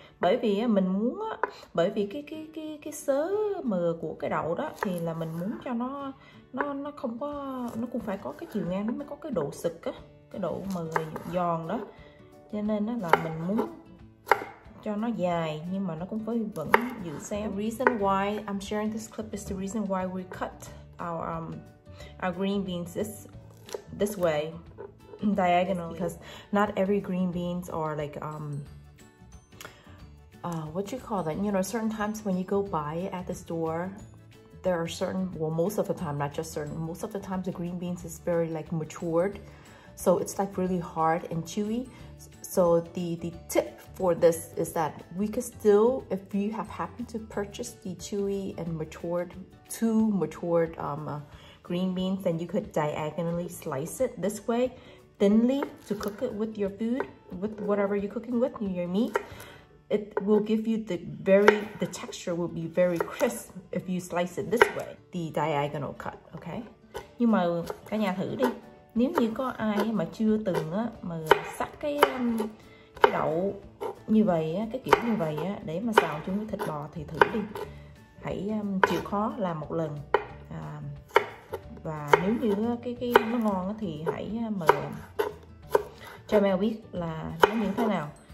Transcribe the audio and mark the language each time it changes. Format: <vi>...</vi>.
<vi>Bởi vì mình muốn á, bởi vì cái sớ mờ của cái đậu đó thì là mình muốn cho nó không có, nó cũng phải có cái chiều ngang nó mới có cái độ sực á, cái độ mờ giòn đó. Cho nên á là mình muốn cho nó dài nhưng mà nó cũng vẫn giữ xéo.</vi> <en>The reason why I'm sharing this clip is the reason why we cut our green beans this way diagonally, because not every green beans are like what you call that, you know, certain times when you go buy at the store there are certain, well most of the time, not just certain, most of the times the green beans is very like matured, so it's like really hard and chewy. So the tip for this is that we could still, if you have happened to purchase the chewy and too matured green beans, then you could diagonally slice it this way thinly to cook it with your food, with whatever you're cooking with, your meat. It will give you the texture will be very crisp if you slice it this way, the diagonal cut, okay?</en> <vi>Nhưng mà cả nhà thử đi, nếu như có ai mà chưa từng á mà sắc cái đậu như vậy á, cái kiểu như vậy á, để mà xào chung với thịt bò thì thử đi, hãy chịu khó làm một lần. Và nếu như cái nó ngon thì hãy mời cho Mel biết là nó như thế nào.</vi>